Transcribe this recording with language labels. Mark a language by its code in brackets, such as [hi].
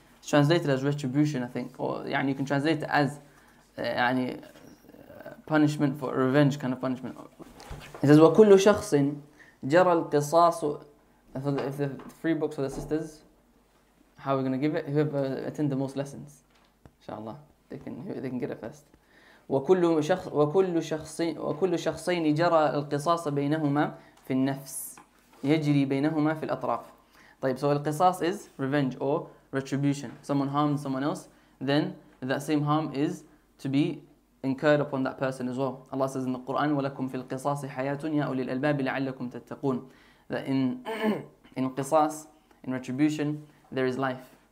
[en] It's translated as retribution, I think. Or [ar] يعني [en] you can translate it as يعني punishment for revenge kind of punishment. It says [ar] وكل شخص جرى القصاص. [en] So if the three books for the sisters, how are we going to give it? Whoever attend the most lessons, inshallah, they can get it first. [ar] وكل شخصين جرى القصاص بينهما في النفس يجري بينهما في الأطراف. طيب, [en] so القصاص is revenge or retribution. Someone harmed someone else, then that same harm is to be incurred upon that person as well. Allah says in the Quran, [ar] وَلَكُمْ فِي الْقِصَاصِ حَيَاتٌ يَا أُولِي الْأَلْبَابِ لَعَلَّكُمْ تَتَّقُونَ. [en] That in قصاص, in retribution, there is life.